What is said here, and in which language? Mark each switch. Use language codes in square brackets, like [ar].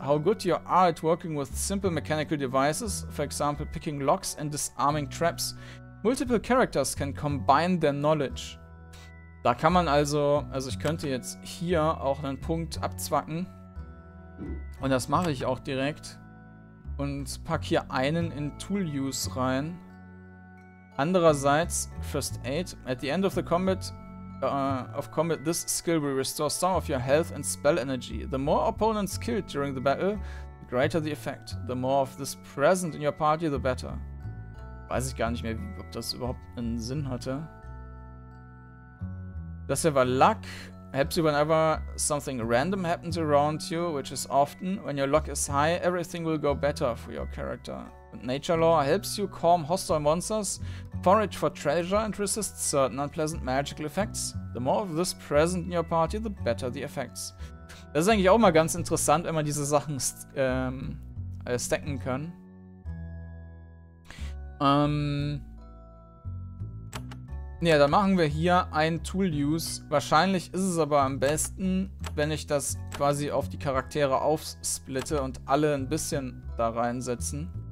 [en] How good you are at working with simple mechanical devices, for example picking locks and disarming traps. Multiple characters can combine their knowledge. [de] Da kann man also ich könnte jetzt hier auch einen Punkt abzwacken. Und das mache ich auch direkt. Und pack hier einen in Tool Use rein. Andererseits, First Aid. [en] At the end of the combat, this skill will restore some of your health and spell energy. The more opponents killed during the battle, the greater the effect. The more of this present in your party, the better. [de] Weiß ich gar nicht mehr, ob das überhaupt einen Sinn hatte. Das hier war Luck. [en] Helps you whenever something random happens around you, which is often. When your luck is high, everything will go better for your character. And Nature Lore helps you calm hostile monsters, forage for treasure and resist certain unpleasant magical effects. The more of this present in your party, the better the effects. [de] Das ist eigentlich auch mal ganz interessant, wenn man diese Sachen stacken kann. Ja, dann machen wir hier ein Tool-Use. Wahrscheinlich ist es aber am besten, wenn ich das quasi auf die Charaktere aufsplitte und alle ein bisschen da reinsetzen.